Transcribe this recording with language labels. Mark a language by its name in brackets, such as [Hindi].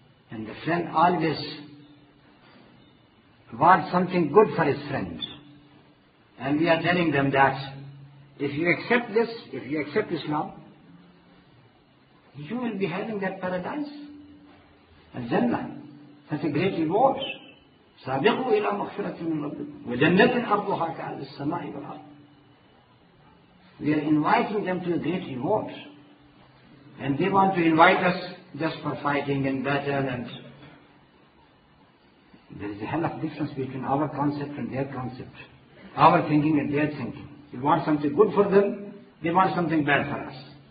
[English] And the friend always wants something good for his friends. And we are telling them that if you accept this, if you accept Islam, you will be having that paradise. And Jannah, such a great reward. [Arabic] سابقوا إلى مغفرة من ربكم وجنة أرضها كأرض السماء والأرض. [English] We are inviting them to a great reward, and they want to invite us just for fighting and battle. And there is a hell of a difference between our concept and their concept, our thinking and their thinking. We want something good for them, they want something bad for us.